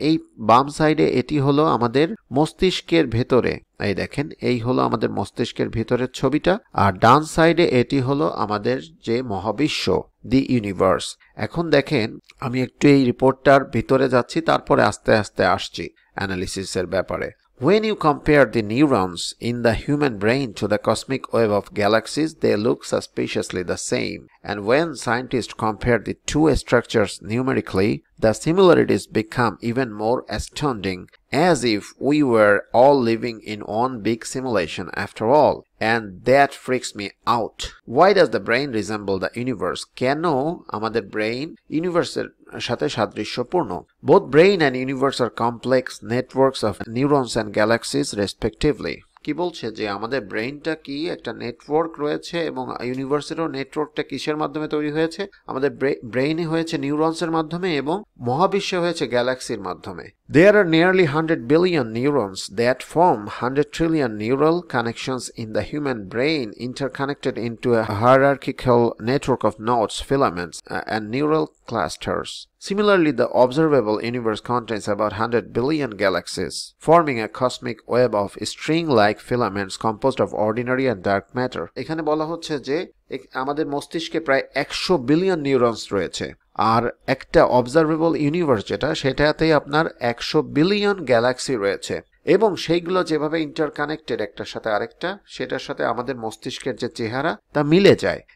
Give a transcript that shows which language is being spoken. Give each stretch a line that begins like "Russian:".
Bangla: এই বাম সাইডে এটি হলো আমাদের মস্তিষ্কের ভেতরে, এই দেখেন, এই হলো আমাদের মস্তিষ্কের ভেতরের ছবিটা, আর ডান সাইডে এটি হলো আমাদের যে মহাবিশ্ব, দি ইউনিভার্স। এখন দেখেন, আমি একটু এই রিপোর্টটার ভিতরে যাচ্ছি, তারপরে আস্তে আস্তে আসছি অ্যানালিসিস এর ব্যাপারে।
English: When you compare the neurons in the human brain to the cosmic web of galaxies, they look suspiciously the same. And when scientists compare the two structures numerically, the similarities become even more astounding, as if we were all living in one big simulation after all. And that freaks me out. Why does the brain resemble the universe?
Bangla: কেন আমাদের brain ইউনিভার্সের সাথে সাদৃশ্যপূর্ণ?
English: Both brain and universe are complex networks of neurons and galaxies respectively.
Bangla: কি বলছে যে আমাদের ব্রেইনটা কি একটা নেটওয়ার্ক রয়েছে এবং ইউনিভার্সেরও নেটওয়ার্কটা কিসের মাধ্যমে তৈরি হয়েছে? আমাদের ব্রেইনই হয়েছে নিউরনসের মাধ্যমে এবং মহাবিশ্বে হয়েছে গ্যালাক্সির মাধ্যমে।
English: There are nearly 100 billion neurons that form 100 trillion neural connections in the human brain, interconnected into a hierarchical network of nodes, filaments, and neural clusters. Similarly, the observable universe contains about 100 billion galaxies, forming a cosmic web of string-like filaments composed of ordinary and dark matter.
Bangla: এখানে বলা হচ্ছে যে আমাদের মস্তিষ্কে প্রায়
English: 100 billion neurons
Bangla: রয়েছে, আর একটা observable universe যেটা, সেটাতে আপনার 100 billion গ্যালাক্সি রয়েছে, এবং সেইগুলো যেভাবে ইন্টারকানেক্টেড একটার সাথে আরেকটা, সেটার সাথে আমাদের মস্তিষ্কের যে চেহারা তা মিলে যায়।